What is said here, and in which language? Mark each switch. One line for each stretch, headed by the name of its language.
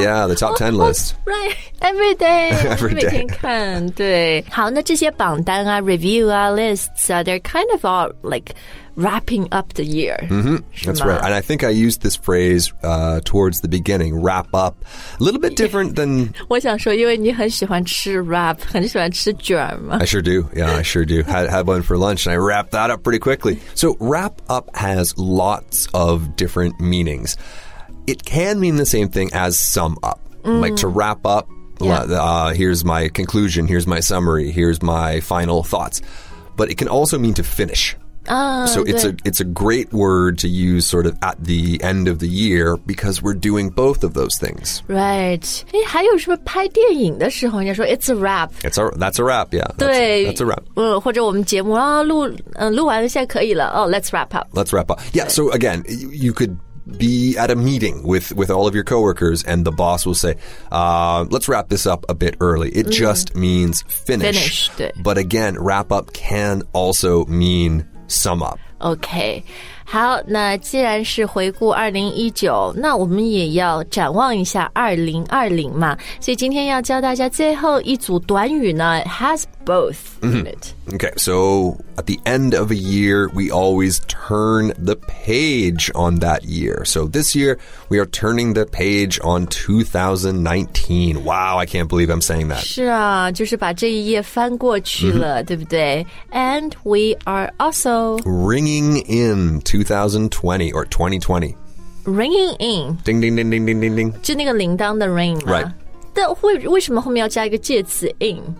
English: Yeah, the top 10 list. Right, every day. Every day.
Chinese: 每天看,对。好,那这些榜单啊, review 啊, lists 啊,
English: they're kind of all like... Wrapping up the year. That's right. And I think I used this phrase towards the beginning, wrap up. A little bit different than...
Chinese: 我想说因为你很喜欢吃 wrap, 很喜欢吃卷嘛。
English: I sure do. Yeah, I sure do. had one for lunch and I wrapped that up pretty quickly. So wrap up has lots of different meanings. It can mean the same thing as sum up. Like to wrap up,here's my conclusion, here's my summary, here's my final thoughts. But it can also mean to finish. So it's a great word to use sort of at the end of the year because we're doing both of those things. Right.
Chinese: 诶还有什么拍电影的时候人家说
English: it's a wrap. That's a wrap, yeah.
Chinese: 对
English: that's a wrap.
Chinese: 或者我们节目啊录完了现在可以了
English: Oh, let's wrap up. Let's wrap up. Yeah, so again, you could be at a meeting with all of your coworkers and the boss will say, let's wrap this up a bit early. It just means finish.
Chinese: 对
English: But again, wrap up can also meansum up. Okay.
Chinese: 好那既然是回顾 2019, 那我们也要展望一下2020嘛。所以今天要教大家最后一组短语呢
English: has both in it. Okay, so at the end of a year, we always turn the page on that year. So this year, we are turning the page on 2019. Wow, I can't believe I'm saying that.
Chinese: 是啊，就是把这一页翻过去了，对不对？
English: And we are also... Ringing in 2020, or 2020. Ringing in. Ding, ding, ding, ding, ding, ding, ding.
Chinese: 就那个铃铛的 ring 吗？
English: Right.
Chinese: 但为什么后面要加一个介词 in?